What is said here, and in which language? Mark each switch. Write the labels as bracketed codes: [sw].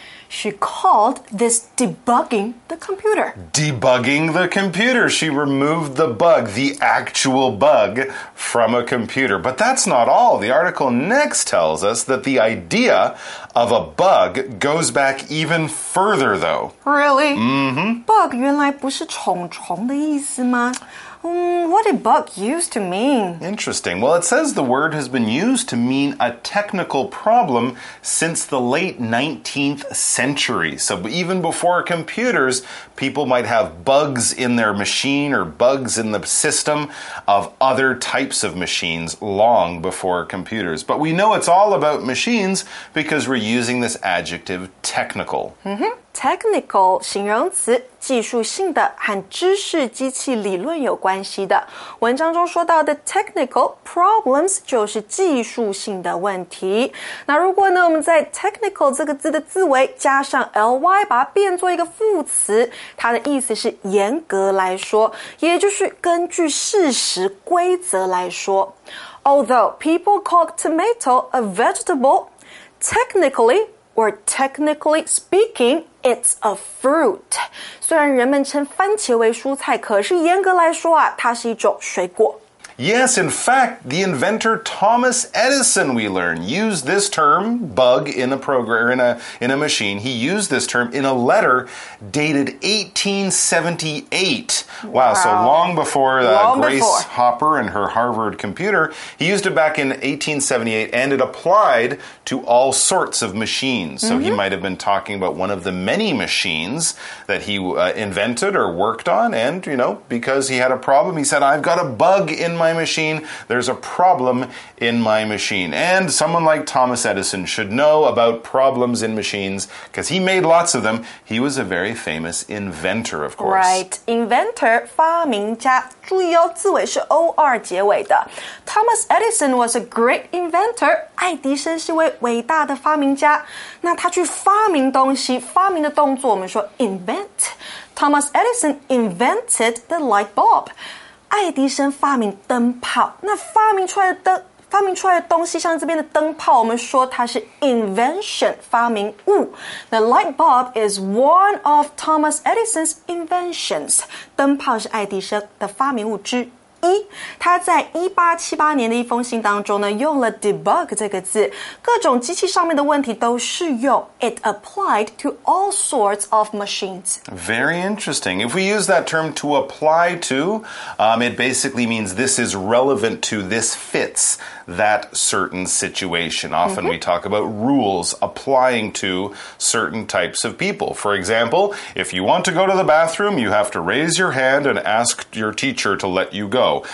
[en] She called this debugging the computer. Debugging the computer. She removed the bug, the actual bug, from a computer. But that's not all. The article next tells us that the idea of a bug goes back even further, though. Really? Bug [zh] 原来不是虫虫的意思吗？ [en] What did bug used to mean? Interesting. Well, it says the word has been used to mean a technical problem since the late 19th century. So even before computers, people might have bugs in their machine or bugs in the system of other types of machines long before computers. But we know it's all about machines because we're using this adjective technical. [zh] Technical 形容词，技术性的，和知识机器理论有关系的。文章中说到的 [en] technical problems [zh] 就是技术性的问题。那如果呢，我们在 technical 这个字的字尾加上 ly， 把它变作一个副词，它的意思是严格来说，也就是根据事实规则来说。 [en] Although people call tomato a vegetable, technically speaking, it's a fruit. [zh] 虽然人们称番茄为蔬菜，可是严格来说啊，它是一种水果。 [en] Yes, in fact, the inventor Thomas Edison, we learn, used this term, bug, in a program, in a machine. He used this term in a letter dated 1878. Wow. So long before long before Hopper and her Harvard computer. He used it back in 1878, and it applied to all sorts of machines. So he might have been talking about one of the many machines that he invented or worked on, and, you know, because he had a problem, he said, I've got a bug in my machine. There's a problem in my machine. And someone like Thomas Edison should know about problems in machines because he made lots of them. He was a very famous inventor, of course. Right. Inventor, [zh] 发明家。注意哦，字尾是 O-R 结尾的。 [en] Thomas Edison was a great inventor. [zh] 爱迪生是位伟大的发明家。那他去发明东西，发明的动作我们说 invent. [en] Thomas Edison invented the light bulb. [zh] 爱迪生发明灯泡，那发明出来的灯，发明出来的东西，像这边的灯泡，我们说它是 invention， 发明物。 [en] The light bulb is one of Thomas Edison's inventions. [zh] 灯泡是爱迪生的发明物之一。他在1878年的一封信当中呢，用了 debug 这个字，各种机器上面的问题都适用。 [en] It applied to all sorts of machines. Very interesting. If we use that term to apply to, it basically means this is relevant to, this fits that certain situation. Often we talk about rules applying to certain types of people. For example, if you want to go to the bathroom, you have to raise your hand and ask your teacher to let you go.